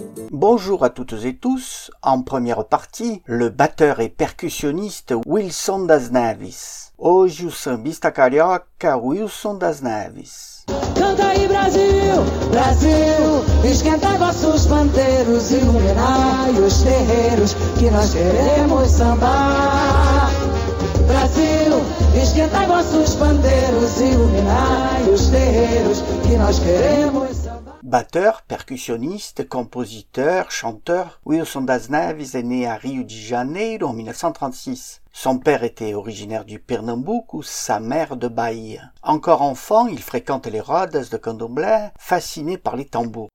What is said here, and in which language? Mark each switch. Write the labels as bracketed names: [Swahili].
[French] Bonjour à toutes et tous. En première partie, le batteur et percussionniste Wilson das Neves. [Portuguese] Hoje o sambista carioca Wilson das Neves. Canta aí Brasil, Brasil, esquenta vossos panteiros, iluminai os terreiros que nós queremos sambar. Brasil, esquenta vossos panteiros, iluminai os terreiros que nós queremos. [French] Batteur, percussionniste, compositeur, chanteur, Wilson das Neves est né à Rio de Janeiro en 1936. Son père était originaire du Pernambouco, sa mère de Bahia. Encore enfant, il fréquente les Rodas de Candomblé, fasciné par les tambours.